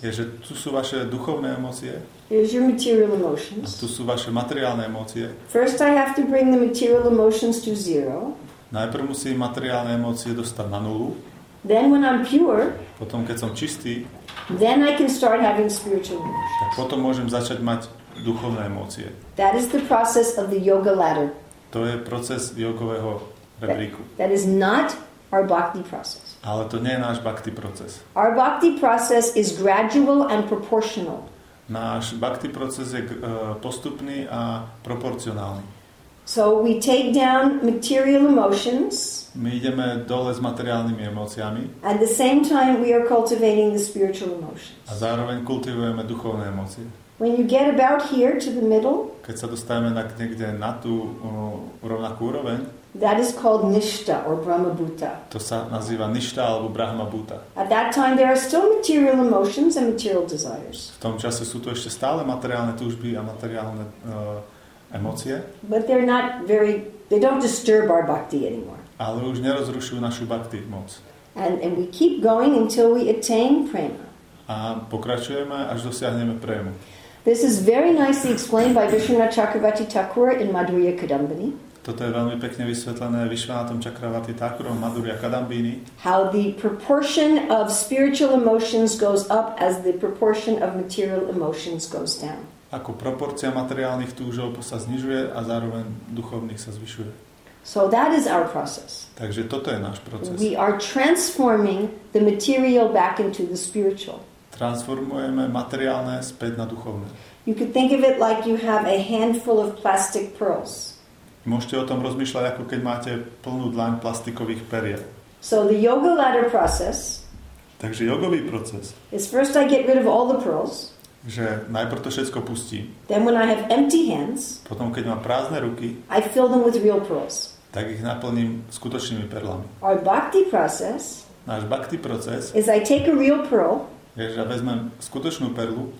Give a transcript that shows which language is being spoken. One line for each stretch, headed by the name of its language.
Slovak: Je, že tu sú vaše duchovné emócie.
English: Here's your material emotions.
Slovak: A tu sú vaše materiálne emócie.
English: First I have to bring the material emotions to zero.
Slovak: Najprv musím materiálne emócie dostať na nulu.
English: Then when I'm pure.
Slovak: Potom keď som čistý.
English: Then I can start having spiritual emotions.
Slovak: Tak potom môžem začať mať duchovné emócie.
English: That is the process of the yoga ladder.
Slovak: To je proces jogového rebríku.
English: That is not our bhakti process.
Slovak: Ale to nie je náš bhakti proces.
English: Our bhakti process is gradual and proportional.
Slovak: Náš bhakti proces je postupný a proporcionálny.
English: So we take down material emotions.
Slovak: My ideme dole s materiálnymi emóciami.
English: At the same time we are cultivating the spiritual emotions.
Slovak: A zároveň kultivujeme duchovné emócie.
English: When you get about here to the middle,
Slovak: keď sa dostaneme tak niekde na tú rovnakú úroveň,
English: that is called nishta or brahma bhuta.
Slovak: To sa nazýva nishta alebo brahma bhuta.
English: At that time there are still material emotions and material desires.
Slovak: V tom čase sú to ešte stále materiálne túžby a materiálne emócie.
English: But they're not very, they don't disturb our bhakti anymore.
Slovak: Ale už nerozrušujú našu bhakti moc.
English: And we keep going until we attain prema.
Slovak: A pokračujeme, až dosiahneme prému.
English: This is very nicely explained by Vishwanatha Chakravarti Thakur in Madhurya Kadambini.
Slovak: Toto je veľmi pekne vysvetlené Vishwanathom Chakravarti Thakurom Madhurya Kadambini.
English: How the proportion of spiritual emotions goes up as the proportion of material emotions goes down.
Slovak: Ako proporcia materiálnych túžob sa znižuje a zároveň duchovných sa zvyšuje.
English: So that is our process.
Slovak: Takže toto je náš proces.
English: We are transforming the material back into the spiritual.
Slovak: Transformujeme materiálne späť na duchovné.
English: You could think of it like you have a handful of plastic pearls.
Slovak: Môžete o tom rozmýšľať ako keď máte plnú dlaň plastikových perier.
English: So the yoga ladder process.
Slovak: Takže jogový proces.
English: Is first I get rid of all the pearls.
Slovak: Že najprv to všetko pustím.
English: Then when I have empty hands.
Slovak: Potom keď mám prázdne ruky.
English: I fill them with real pearls.
Slovak: Tak ich naplním skutočnými perlami.
English: Our bhakti process.
Slovak: náš bhakti proces
English: is I take a real pearl.
Slovak: Je, že vezmem skutočnú perlu.